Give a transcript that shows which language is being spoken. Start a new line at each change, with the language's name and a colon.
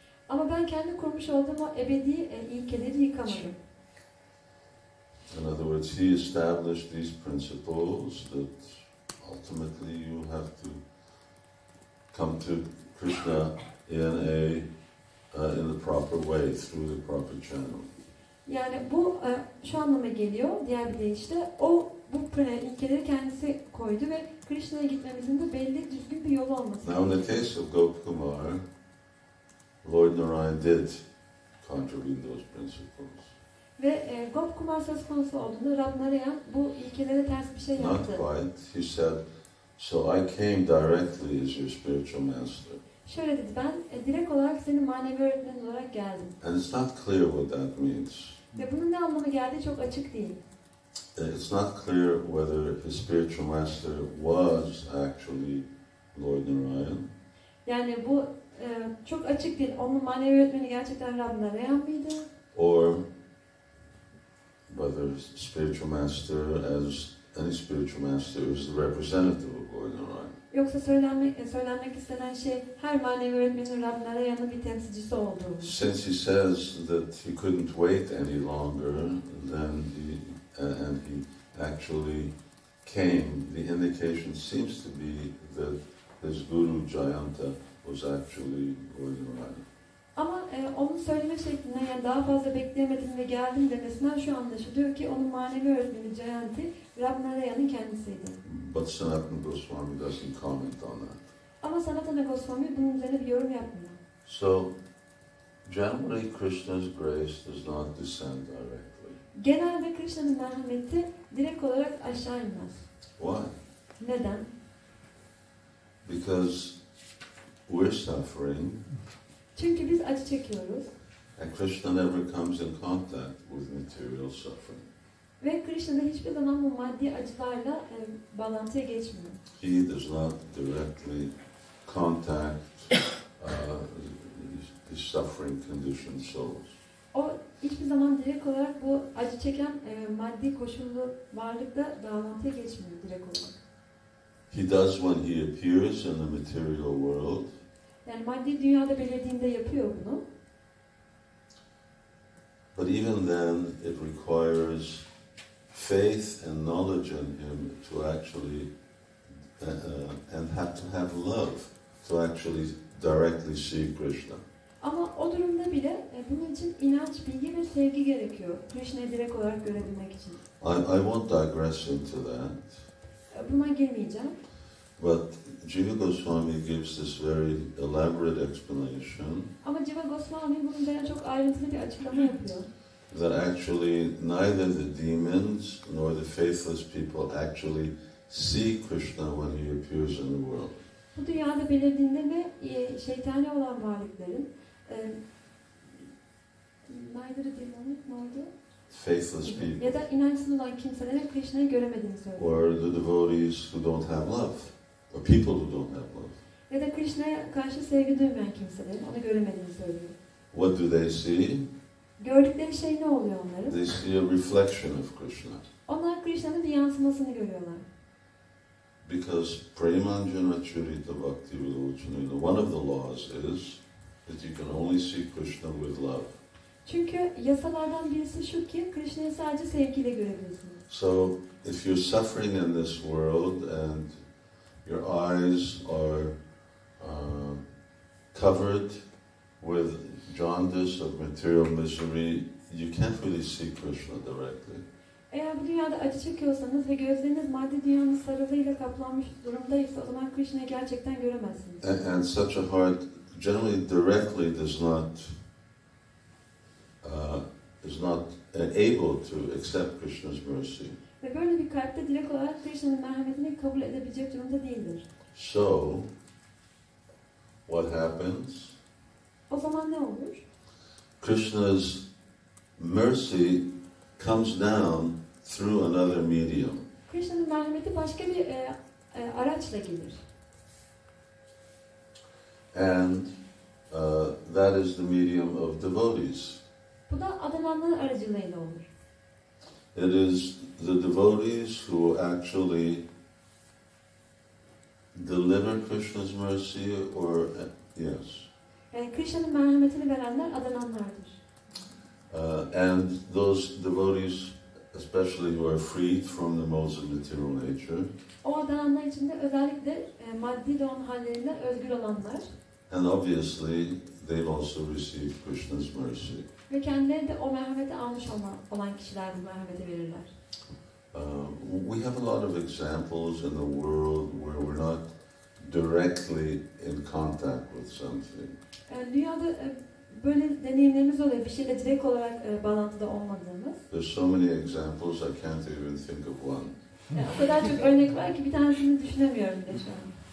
Turkish: Ama ben kendi kurmuş olduğum o ebedi ilkeleri yıkamadım.
English: In other words, he established these principles that ultimately you have to come to Krishna in the proper way through the proper channel.
Turkish: Yani bu şu anlama geliyor. Diğer bir deyişle o bu ilkeleri kendisi koydu ve Krishna'ya gitmemizin de belli düzgün bir yolu olması.
English: Now in the case of Gopa-kumāra, Lord Narayan did contravene those principles.
Turkish: Ve Gopa-kumāra söz konusu olduğunda Rab Narayan bu ilkelere ters bir şey yaptı.
English: Not quite. He said, so I came directly as your spiritual master.
Turkish: Şöyle dedi, ben direkt olarak senin manevi öğretmenin olarak geldim.
English: And it's not clear what that means.
Turkish: Ve bunun ne anlamı geldi çok açık değil.
English: It's not clear whether his spiritual master was actually Lord Narayan.
Turkish: Yani bu çok açık değil. Onun manevi öğretmeni gerçekten Rab Narayan mıydı?
English: Or whether spiritual master, as any spiritual master, is the representative of Lord Narayan.
Turkish: Yoksa söylenmek istenen şey her manevi öğretmenin Rab Narayan'ın bir temsilcisi olduğu.
English: Since he says that he couldn't wait any longer, then he and he actually came, the indication seems to be that his guru Jayanta was actually Lord Narayan.
Turkish: Ama onun söyleme şeklinde yani daha fazla beklemedim ve geldim demesinden şu anlaşılıyor ki onun manevi öğretmeni Jayanti Rab Narayan'ın kendisiydi.
English: But Sanatana Goswami doesn't comment on that.
Turkish: Ama Sanatana Goswami bunun üzerine bir yorum yapmıyor.
English: So, generally Krishna's grace does not descend directly.
Turkish: Genelde Krishna'nın merhameti direkt olarak aşağı inmez.
English: Why?
Turkish: Neden?
English: Because we're suffering.
Turkish: Çünkü biz acı çekiyoruz.
English: And Krishna never comes in contact with material suffering.
Turkish: Ve Krishna hiçbir zaman bu maddi acılarla bağlantıya geçmiyor.
English: He does not directly contact the suffering conditioned souls.
Turkish: O hiçbir zaman direkt olarak bu acı çeken maddi koşullu varlıkla bağlantıya geçmiyor direkt olarak.
English: He does when he appears in the material world.
Turkish: Yani maddi dünyada belirdiğinde yapıyor bunu.
English: But even then it requires faith and knowledge in him to actually and have to have love to actually directly see Krishna.
Turkish: Ama o durumda bile bunun için inanç, bilgi ve sevgi gerekiyor Krishna'yı direkt olarak görebilmek için.
English: I won't digress into that.
Turkish: Buna girmeyeceğim.
English: But Jiva Goswami gives this very elaborate explanation.
Turkish: Ama Jiva Goswami bunun üzerine çok ayrıntılı bir açıklama yapıyor.
English: That actually neither the demons nor the faithless people actually see Krishna when he appears in the world.
Turkish: Bu dünyada belirdiğinde ve şeytani olan varlıkların
English: neither the demons nor the faithless people
Turkish: ya da inançsız olan kimselerin Krishna'yı göremediğini söylüyor.
English: Or the devotees who don't have love, or people who don't have love.
Turkish: Ya da Krishna'ya karşı sevgi duymayan kimselerin onu göremediğini söylüyor.
English: What do they see?
Turkish: Gördükleri şey ne oluyor onların?
English: They see a reflection of Krishna.
Turkish: Onlar Krishna'nın bir yansımasını görüyorlar.
English: Because
Sanskrit: premanjana charita bhakti vilochana,
English: one of the laws is that you can only see Krishna with love.
Turkish: Çünkü yasalardan birisi şu ki Krishna'yı sadece sevgiyle görebilirsiniz.
English: So if you're suffering in this world and your eyes are covered with jaundice of material misery, you can't really see Krishna directly.
Turkish: Eğer bu dünyada acı çekiyorsanız ve gözleriniz maddi dünyanın sarılığıyla kaplanmış durumdaysa, o zaman Krishna'yı gerçekten göremezsiniz.
English: And such a heart generally directly is not able to accept Krishna's mercy.
Turkish: Ve böyle bir kalpte direkt olarak Krishna'nın merhametini kabul edebilecek durumda değildir.
English: So, what happens?
Turkish: O zaman ne olur?
English: Krishna's mercy comes down through another medium.
Turkish: Krishna'nın merhameti başka bir araçla gelir.
English: And that is the medium of devotees.
Turkish: Bu da adananların aracılığıyla olur.
English: It is the devotees who actually deliver Krishna's mercy or yes.
Turkish: Krishna'nın merhametini verenler adananlardır.
English: And those devotees, especially who are freed from the modes of material nature.
Turkish: O adananlar içinde özellikle maddi doğum hallerinden özgür olanlar.
English: And obviously they've also received Krishna's mercy.
Turkish: Ve kendileri de o merhameti almış olan kişiler bu merhameti verirler.
English: We have a lot of examples in the world where we're not directly in contact with something.
Turkish: Dünyada böyle deneyimlerimiz oluyor, bir şeyle direkt olarak bağlantıda olmadığımız.
English: There's so many examples, I can't even think of one.
Turkish: O kadar çok örnek var ki bir tanesini düşünemiyorum bile şu an.